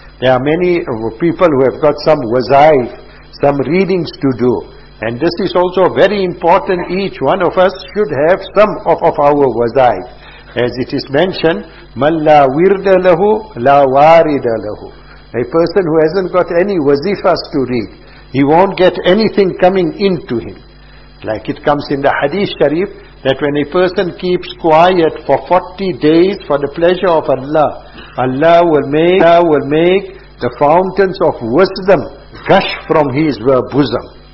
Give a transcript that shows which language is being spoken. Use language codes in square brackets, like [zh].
[en] There are many people who have got some wazaif, some readings to do. And this is also very important. Each one of us should have some of our wazaif. As it is mentioned, [ar] مَنْ لَا وِرْدَ لَهُ لَا وَارِدَ لَهُ. [en] A person who hasn't got any wazifas to read, he won't get anything coming into him. Like it comes in the Hadith Sharif, that when a person keeps quiet for 40 days for the pleasure of Allah, Allah will make the fountains of wisdom gush from his bosom.